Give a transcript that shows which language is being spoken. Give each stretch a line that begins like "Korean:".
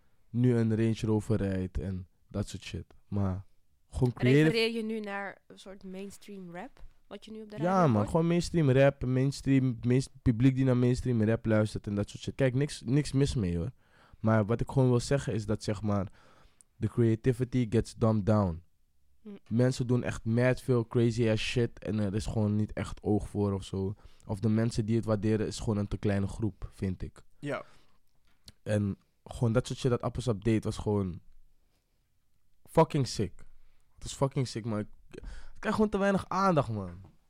Dutch: Nu een Range Rover rijdt en dat soort shit. Maar gewoon creëren... Refereer je nu naar een soort mainstream rap? Wat je nu op de radio hoort? Ja man, gewoon mainstream rap. Mainstream, publiek die naar mainstream rap luistert en dat soort shit. Kijk, niks mis mee hoor. Maar wat ik gewoon wil zeggen is dat zeg maar...
English: The creativity gets dumbed down.
Dutch: Mensen doen echt mad veel
English: crazy ass shit.
Dutch: En er is gewoon niet echt oog voor of zo. Of de mensen die het waarderen is gewoon een te kleine groep, vind ik. Ja. En... Gewoon dat soort shit dat Appelsap deed was gewoon
English: fucking sick.
Dutch: Het was
English: fucking sick,
Dutch: maar ik krijg gewoon te weinig aandacht, man.